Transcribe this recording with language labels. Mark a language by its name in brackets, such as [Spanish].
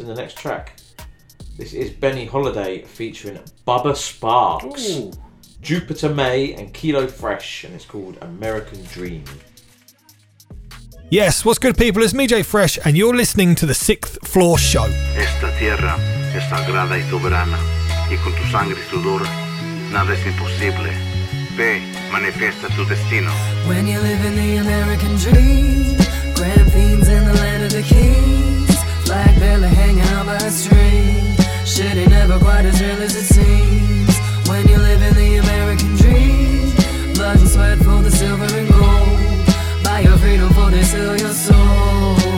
[English] It's in the next track. This is Benny Holiday featuring Bubba Sparxxx, Jupiter May and Kilo Fresh, and it's called American Dream. Yes, what's good people? It's me, J Fresh, and you're listening to The Sixth Floor Show. [Spanish] Esta tierra es sagrada y soberana, y con tu sangre y sudor, nada es imposible. Ve, manifiesta tu destino. [English] When you live in the American dream, grand fiends in the land of the kings, black belly hanging out by a string, shit ain't never quite as real as it seems. When you live in the American dream, blood and sweat for the silver and gold, buy your freedom for to sell your soul.